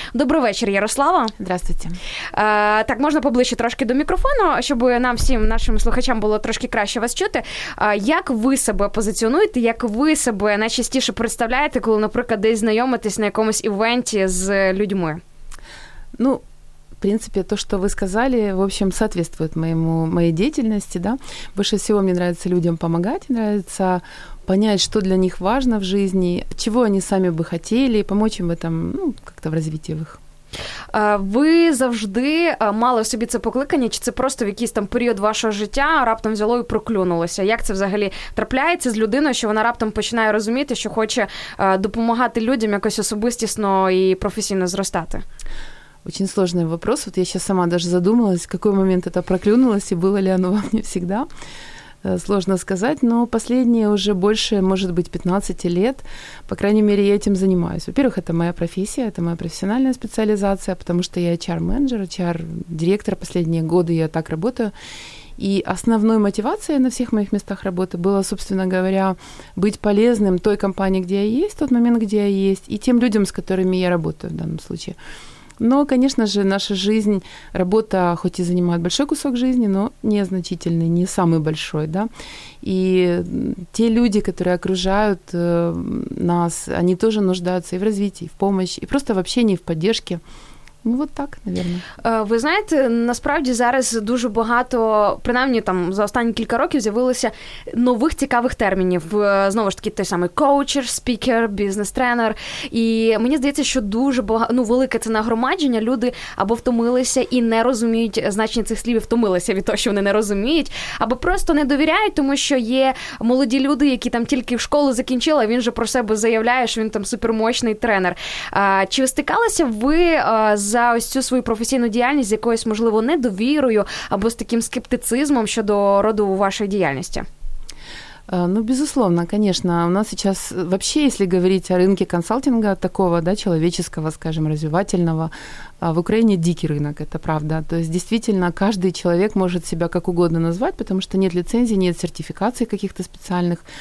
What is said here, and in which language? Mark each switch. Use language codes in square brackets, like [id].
[uk] Добрий вечір, Ярослава. [ru] Здравствуйте. [uk] Так, можна поближче трошки до мікрофону, щоб нам всім, нашим слухачам було трошки краще вас чути. Як ви себе позиціонуєте, як ви себе найчастіше представляєте, коли, наприклад, десь знайомитесь на якомусь івенті з людьми? [ru] Ну, в принципе, то, что вы сказали, в общем, соответствует моей деятельности, да. Больше всего мне нравится людям помогать, нравится понять, что для них важно в жизни, чего они сами бы хотели, помочь им в этом, ну, как-то в развитии их. [uk] Ви завжди мали собі це покликання, чи це просто в якийсь там період вашого життя раптом взяло і проклюнулося? Як це взагалі трапляється з людиною, що вона раптом починає розуміти, що хоче допомагати людям якось особистісно і професійно зростати? [ru] Очень сложный вопрос. Вот я сейчас сама даже задумалась, в какой момент это проклюнулось, и было ли оно во мне всегда. Сложно сказать, но последние уже больше, может быть, 15 лет, по крайней мере, я этим занимаюсь. Во-первых, это моя профессия, это моя профессиональная специализация, потому что я HR-менеджер, HR-директор. Последние годы я так работаю. И основной мотивацией на всех моих местах работы было, собственно говоря, быть полезным той компании, где я есть, тот момент, где я есть, и тем людям, с которыми я работаю в данном случае. Но, конечно же, наша жизнь, работа хоть и занимает большой кусок жизни, но незначительный, не самый большой, да. И те люди, которые окружают нас, они тоже нуждаются и в развитии, и в помощи, и просто в общении, и в поддержке. Ну, вот так, наверное. [uk] Ви знаєте, насправді зараз дуже багато, принаймні там за останні кілька років, з'явилося нових цікавих термінів. Знову ж таки, той самий коучер, спікер, бізнес-тренер. І мені здається, що дуже багато, ну, велике це нагромадження. Люди або втомилися і не розуміють значення цих слів, втомилися від того, що вони не розуміють, або просто не довіряють, тому що є молоді люди, які там тільки в школу закінчили, а він же про себе заявляє, що він там супермощний тренер. Чи стикалися ви за ось цю свою професійну діяльність з якоюсь, можливо, недовірою або з таким скептицизмом щодо роду вашої діяльності? [ru] Ну, безусловно, конечно. У нас сейчас вообще, если говорить о рынке консалтинга такого, да, человеческого, скажем, развивательного, в Украине дикий рынок, это правда. То есть действительно каждый человек может себя как угодно назвать, потому что нет лицензии, нет сертификации каких-то специальных.